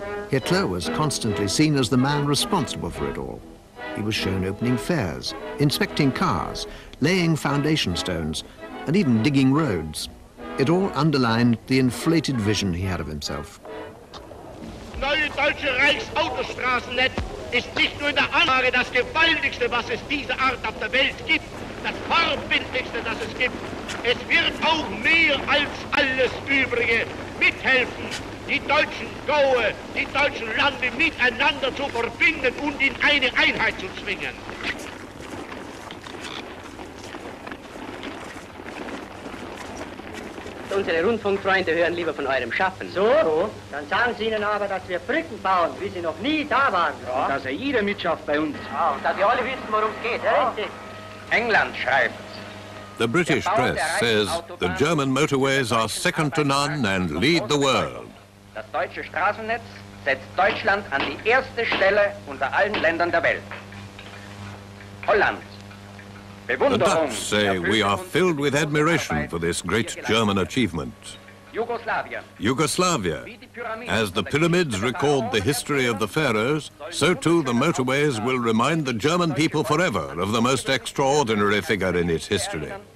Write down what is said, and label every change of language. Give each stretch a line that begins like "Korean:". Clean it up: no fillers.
English: Hitler was constantly seen as the man responsible for it all. He was shown opening fairs, inspecting cars, laying foundation stones, and even digging roads. It all underlined the inflated vision he had of himself.
German: Neue deutsche Reichsautostraßennetz ist nicht nur in der Anlage das gewaltigste, was es dieser Art auf der Welt gibt, das verbindlichste, das es gibt. Es wird auch mehr als alles Übrige mithelfen, die deutschen Gaue, die deutschen Lande miteinander zu verbinden und in eine Einheit zu zwingen. Unsere Rundfunkfreunde hören lieber von eurem Schaffen. So? Dann sagen sie ihnen aber, dass wir Brücken bauen, wie sie noch nie da waren. Ja. Und dass er ihre mitschafft bei uns. Ja. Und dass wir alle wissen, worum es geht. Ja. Richtig. England schreibt.
English: The British press says the German motorways are second to none and lead the world.
German: Das deutsche Straßennetz setzt Deutschland an die erste Stelle unter allen Ländern der Welt. Holland.
English: The Dutch say we are filled with admiration for this great German achievement. Yugoslavia. As the pyramids record the history of the pharaohs, so too the motorways will remind the German people forever of the most extraordinary figure in its history.